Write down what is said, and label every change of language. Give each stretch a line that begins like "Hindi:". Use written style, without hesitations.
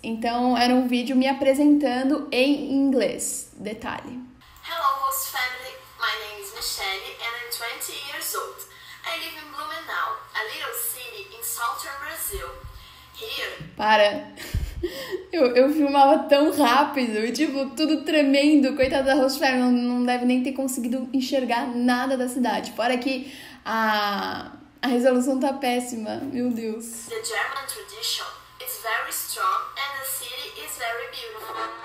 Portuguese: Então, era um vídeo me apresentando em inglês. Detalhe.
English: Hello, host family. My name is Michelle and I'm 20 years old. I live in Blumenau, a little city in southern Brazil. Here...
Portuguese: Para! Eu filmava tão rápido, tipo, tudo tremendo. Coitada da host family, não deve nem ter conseguido enxergar nada da cidade. Fora que a resolução tá péssima, meu Deus.
English: The German tradition is very strong and the city is very beautiful.